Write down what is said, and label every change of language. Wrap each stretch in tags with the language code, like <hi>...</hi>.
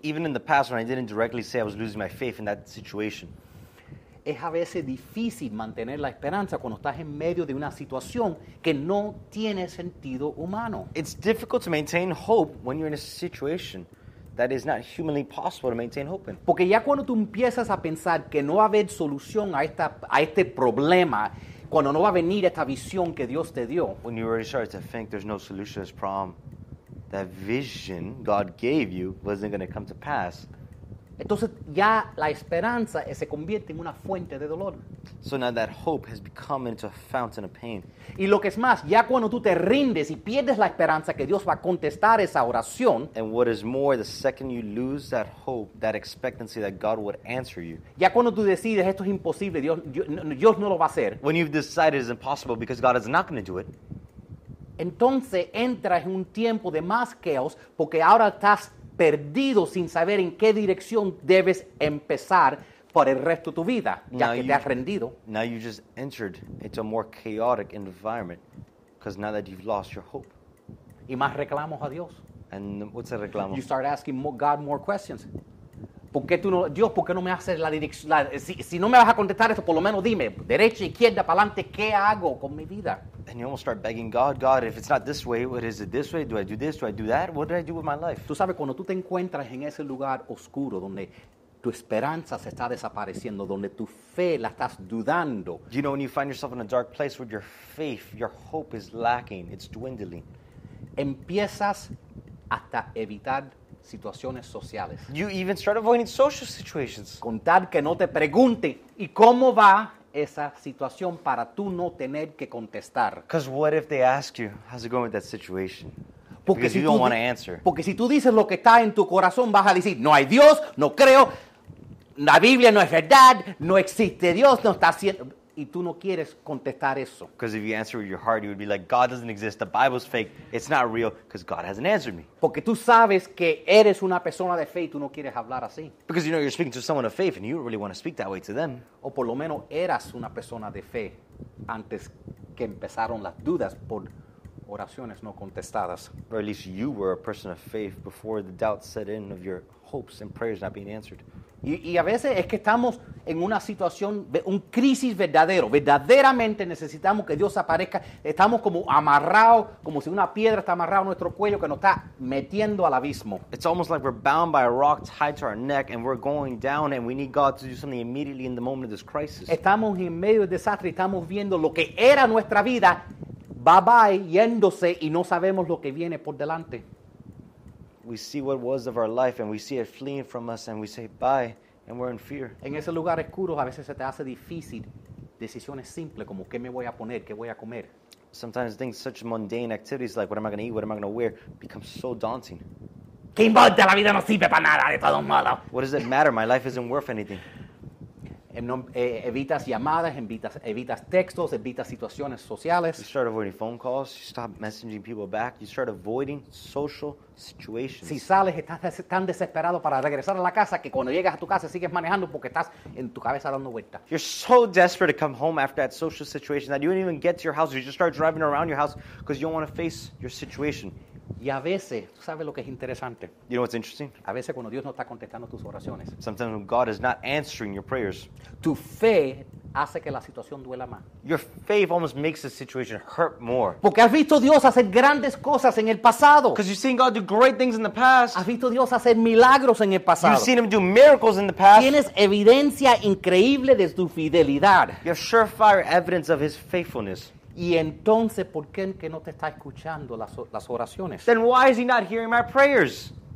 <en>Even in the past when I didn't directly say I was losing my faith in that situation.</en> <es>Es a veces difícil mantener la esperanza cuando estás en medio de una situación que no tiene sentido humano.</es> <en>It's difficult to maintain hope when you're in a situation that is not humanly possible to maintain hope in.</en> <es>Porque ya cuando tú empiezas a pensar que no va a haber solución a este problema, cuando no va a venir esta visión que Dios te dio.</es> <en>When you already started to think there's no solution to this problem, that vision God gave you wasn't going to come to pass.</en> <es>Entonces ya la esperanza se convierte en una fuente de dolor.</es> <en>So now that hope has become into a fountain of pain.</en> <es>Y lo que es más, ya cuando tú te rindes y pierdes la esperanza que Dios va a contestar esa oración.</es> <en>And what is more, the second you lose that hope, that expectancy that God would answer you.</en> <es>Ya cuando tú decides esto es imposible, Dios no lo va a hacer.</es> <en>When you've decided it's impossible because God is not going to do it.</en> <es>Entonces entras en un tiempo de más caos porque ahora estás perdido sin saber en qué dirección debes empezar por el resto de tu vida, ya</es> <en>now</en> <es>que te has rendido.</es> <en>Now you just entered into a more chaotic environment because now that you've lost your hope.</en> <es>Y más reclamos a Dios.</es> <en>And what's a reclamo? You start asking God more questions.</en> <es>¿Por qué tú no, Dios, por qué no me haces la dirección? Si no me vas a contestar esto, por lo menos dime, derecha, izquierda, para adelante, ¿qué hago con mi vida?</es> <en>And you almost start begging God, God, if it's not this way, what is it this way? Do I do this? Do I do that? What do I do with my life?</en> <es>Tú sabes, cuando tú te encuentras en ese lugar oscuro donde tu esperanza se está desapareciendo, donde tu fe la estás dudando.</es> <en>You know, when you find yourself in a dark place where your faith, your hope is lacking, it's dwindling.</en> <es>Empiezas hasta evitar situaciones sociales.</es> <en>You even start avoiding social situations.</en> <es>Con tal que no te pregunten, ¿y cómo va esa situación para tú no tener que contestar?</es> <en>Because what if they ask you, how's it going with that situation?</en> <es>Porque</es> <en>because</en> <es>si</es> <en>you don't want to answer.</en> <es>Porque si tú dices lo que está en tu corazón, vas a decir, no hay Dios, no creo, la Biblia no es verdad, no existe Dios, no está haciendo, y tú no quieres contestar eso.</es> <en>Because if you answer with your heart, you would be like, God doesn't exist, the Bible's fake, it's not real, because God hasn't answered me.</en> <es>Porque tú sabes que eres una persona de fe y tú no quieres hablar así.</es> <en>Because you know you're speaking to someone of faith and you don't really want to speak that way to them.</en> <es>O por lo menos eras una persona de fe antes que empezaron las dudas por oraciones no contestadas.</es> <en>Or at least you were a person of faith before the doubt set in of your hopes and prayers not being answered.</en> <es>Y a veces es que estamos en una situación, un crisis verdadero. Verdaderamente necesitamos que Dios aparezca. Estamos como amarrados, como si una piedra está amarrada a nuestro cuello que nos está metiendo al abismo.</es> <en>It's almost like we're bound by a rock tied to our neck and we're going down and we need God to do something immediately in the moment of this crisis.</en> <es>Estamos en medio del desastre y estamos viendo lo que era nuestra vida,</es> <en>bye bye,</en> <es>yéndose y no sabemos lo que viene por delante.</es> <en>We see what was of our life and we see it fleeing from us and we say bye and we're in fear.</en> <es>En ese lugar oscuro a veces se te hace difícil decisiones simples como qué me voy a poner, qué voy a comer.</es> <en>Sometimes things such mundane activities like what am I going to eat, what am I going to wear become so daunting.</en> <es>¿Qué importa? La vida no sirve para nada, de todos modos.</es> <en>What does it matter? My life isn't worth anything.</en> <es>Evitas llamadas, evitas textos, evitas situaciones sociales.</es> <en>You start avoiding phone calls, you stop messaging people back, you start avoiding social situations.</en> <es>Si sales, estás tan desesperado para regresar a la casa que cuando llegas a tu casa sigues manejando porque estás en tu cabeza dando vueltas.</es> <en>You're so desperate to come home after that social situation that you don't even get to your house, you just start driving around your house because you don't want to face your situation.</en> <es>Y a veces, ¿tú sabes lo que es interesante?</es> <en>You know what's interesting?</en> <es>A veces cuando Dios no está contestando tus oraciones.</es> <en>Sometimes when God is not answering your prayers.</en> <es>Tu fe hace que la situación duela más.</es> <en>Your faith almost makes the situation hurt more.</en> <es>Porque has visto Dios hacer grandes cosas en el pasado.</es> <en>Because you've seen God do great things in the past.</en> <es>Has visto Dios hacer milagros en el pasado.</es> <en>You've seen him do miracles in the past.</en> <es>Tienes evidencia increíble de tu fidelidad.</es> <en>You have surefire evidence of his faithfulness.</en> <es>Y entonces, ¿por qué que no te está escuchando las oraciones?</es> <en>Then why is he not hearing my prayers?</en>